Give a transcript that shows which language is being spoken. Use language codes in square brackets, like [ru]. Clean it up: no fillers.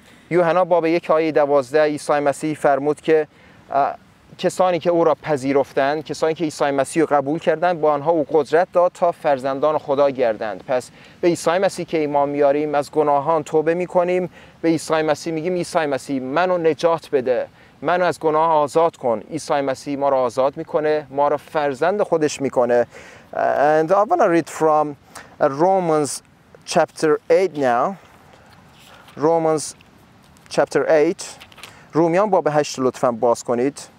[fa] یوحنا باب 1 آیه 12 عیسی مسیح فرمود که کسانی که او را پذیرفتند، کسانی که عیسی مسیح را قبول کردند، با آنها او قدرت داد تا فرزندان خدا گردند. پس به عیسی مسیح که ایمان میاریم، از گناهان توبه میکنیم، به عیسی مسیح میگیم عیسی مسیح منو نجات بده، منو از گناه آزاد کن. عیسی مسیح ما را آزاد میکنه، ما را فرزند خودش میکنه. [en] And I want to read from Romans chapter 8 now. Romans chapter 8. [fa] رومیان باب 8 لطفاً باز کنید.